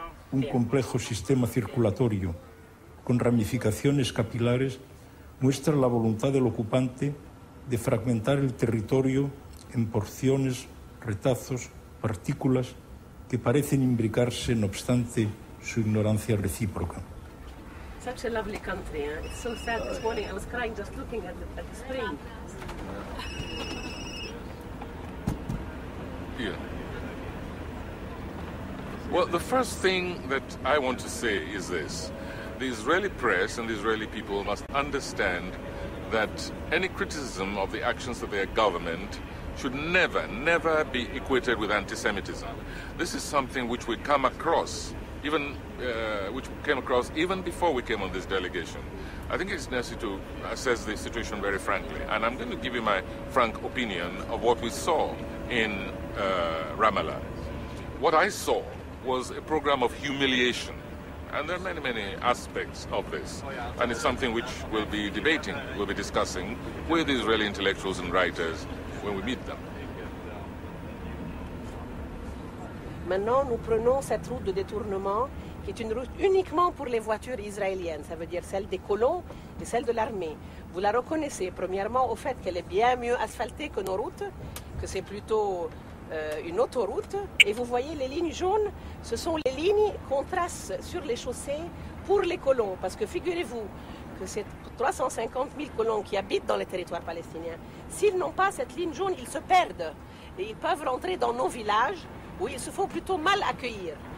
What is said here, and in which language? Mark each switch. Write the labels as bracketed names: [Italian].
[Spanish] Un complejo sistema circulatorio con ramificaciones capilares muestra la voluntad del ocupante de fragmentar el territorio en porciones, retazos, partículas que parecen imbricarse no obstante su ignorancia recíproca. [English] Such a lovely country, eh? It's so sad this morning. I was crying just looking at the spring. Here. Well, the first thing that I want to say is this. The Israeli press and the Israeli people must understand that any criticism of the actions of their government should never, never be equated with anti-Semitism. This is something which we come across, even before we came on this delegation. I think it's necessary to assess the situation very frankly. And I'm going to give you my frank opinion of what we saw in Ramallah. What I saw was a program of humiliation, and there are many, many aspects of this, and it's something which we'll be discussing with Israeli intellectuals and writers when we meet them. [French] Maintenant, nous prenons cette route de détournement qui est une route uniquement pour les voitures israéliennes, ça veut dire celle des colons et celle de l'armée. Vous la reconnaissez premièrement au fait qu'elle est bien mieux asphaltée que nos routes, que c'est plutôt une autoroute, et vous voyez les lignes jaunes, ce sont les lignes qu'on trace sur les chaussées pour les colons, parce que figurez-vous que ces 350 000 colons qui habitent dans les territoires palestiniens, s'ils n'ont pas cette ligne jaune, ils se perdent, et ils peuvent rentrer dans nos villages, où ils se font plutôt mal accueillir.